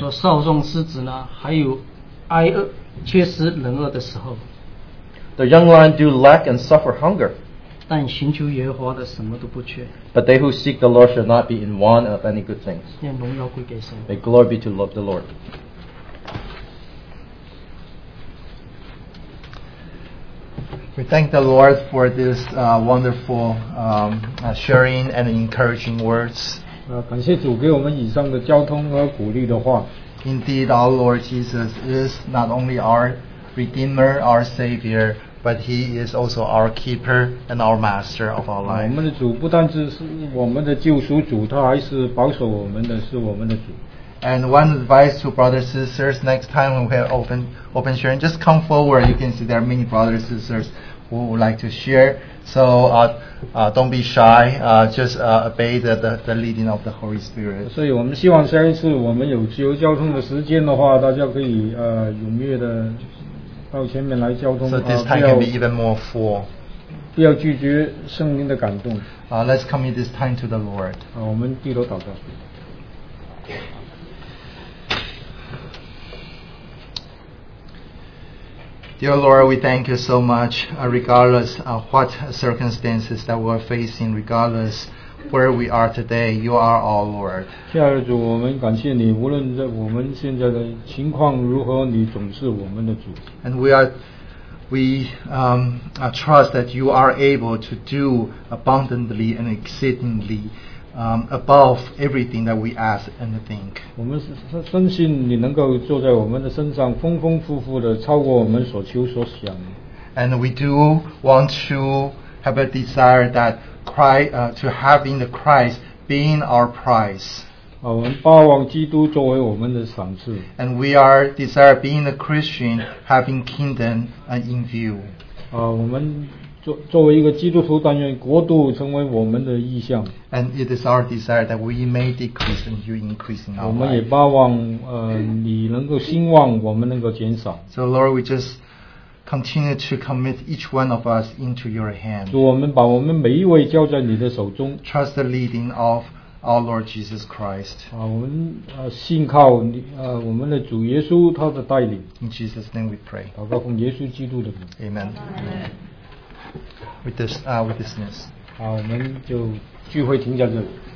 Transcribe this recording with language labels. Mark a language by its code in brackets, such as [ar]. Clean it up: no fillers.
[zh] 说少壮狮子呢，还有挨饿、缺食、冷饿的时候。 [en] The young lion do lack and suffer hunger. [zh] 但寻求耶和华的什么都不缺。 [en] But they who seek the Lord shall not be in want of any good things. [zh] 愿荣耀归给神。 [en] May glory be to the Lord. We thank the Lord for this wonderful sharing and encouraging words. [zh] 感谢主给我们以上的交通和鼓励的话。 [en] Indeed, our Lord Jesus is not only our Redeemer, our Savior, but He is also our Keeper and our Master of our life. [zh] 我们的主不单只是我们的救赎主，他还是保守我们的，是我们的主。 [en] And one advice to brothers and sisters, next time when we have open sharing, just come forward. You can see there are many brothers and sisters who would like to share. So don't be shy. Just obey the leading of the Holy Spirit. [zh] 所以我们希望下一次我们有自由交通的时间的话，大家可以踊跃的到前面来交通。 [en] So this time can be even more full. [zh] 不要拒绝圣灵的感动。 [en] Let's commit this time to the Lord. [zh] 我们低头祷告。 [en] Dear Lord, we thank you so much, regardless of what circumstances that we're facing, regardless where we are today, you are our Lord. [zh] 亲爱的主，我们感谢你，无论在我们现在的情况如何，你总是我们的主。 [en] And we trust that you are able to do abundantly and exceedingly above everything that we ask and think. [zh] 我们深信你能够坐在我们的身上，丰丰富富的超过我们所求所想。 [en] And we do want to have a desire that Christ, to having the Christ being our prize. [zh] 我们盼望基督作为我们的赏赐。 [en] And we are desire being a Christian, having kingdom in view. [zh] 我们作为一个基督徒，但愿国度成为我们的意向。 [en] And it is our desire that we may decrease and you increase in our life. [zh] 我们也巴望你能够兴旺，我们能够减少。 [en] So Lord, we just continue to commit each one of us into your hand. [zh] 主，我们把我们每一位交在你的手中。 [en] Trust the leading of our Lord Jesus Christ. [zh] 我们信靠你我们的主耶稣他的带领。 [en] In Jesus' name we pray. [zh] 祷告奉耶稣基督的名。 [en] Amen. With this, with this news. [zh] 好，我们就聚会停在这里。